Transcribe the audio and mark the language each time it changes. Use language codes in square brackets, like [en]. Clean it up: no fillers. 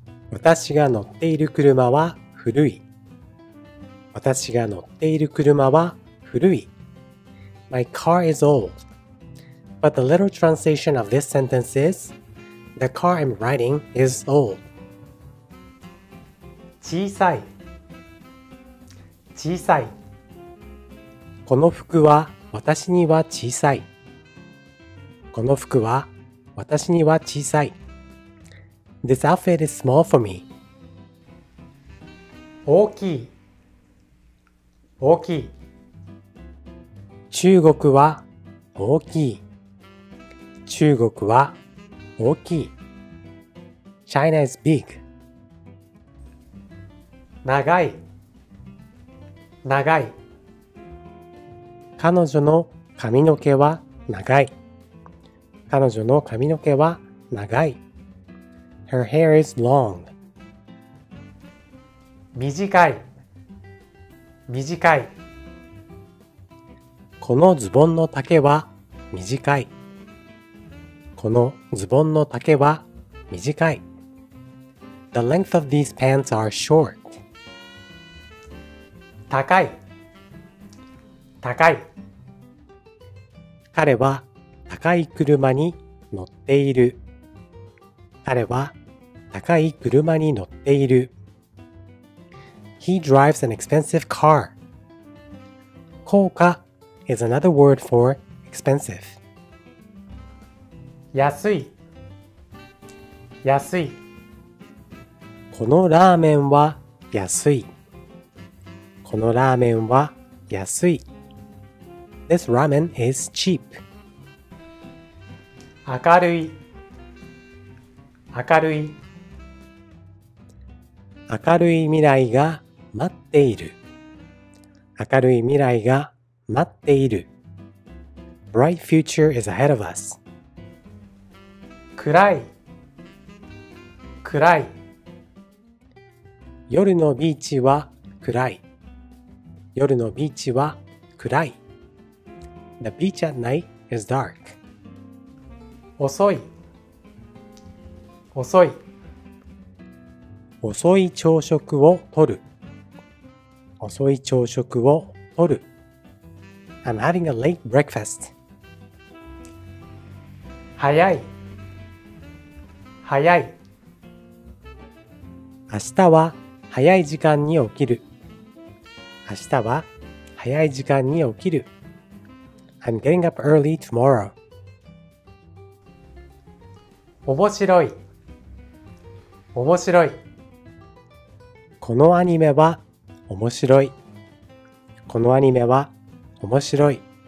[ja] 私が乗っている車は古い。私が乗っている車は古い。 [en] My car is old. But the literal translation of this sentence is, The car I'm riding is old. [ja] 小さい小さい。この服は私には小さい。この服は私には小さい。 [en] This outfit is small for me. [ja] 大きい大きい。中国は大きい。中国は大きい。 [en] China is big. [ja] 長い長い。彼女の髪の毛は長い。彼女の髪の毛は長い。 [en] Her hair is long. [ja] 短い短い。このズボンの丈は短い。このズボンの丈は短い。 [en] The length of these pants are short. [ja] 高い高い。彼は高い車に乗っている。彼は高い車に乗っている。 [en] He drives an expensive car. 高価 is another word for expensive. [ja] 安い安い。このラーメンは安い。このラーメンは安い。 [en] This ramen is cheap. [ja] 明るい明るい。明るい未来が待っている。明るい未来が待っている。 [en] Bright future is ahead of us. [ja] 暗い暗い。夜のビーチは暗い。夜のビーチは暗い。 [en] The beach at night is dark. [ja] 遅い遅い。遅い朝食をとる。遅い朝食をとる。 [en] I'm having a late breakfast. [ja] 早い早い。明日は早い時間に起きる。明日は早い時間に起きる。 [en] I'm getting up early tomorrow. [ja] 面白い面白い。このアニメは面白い。このアニメは面白い。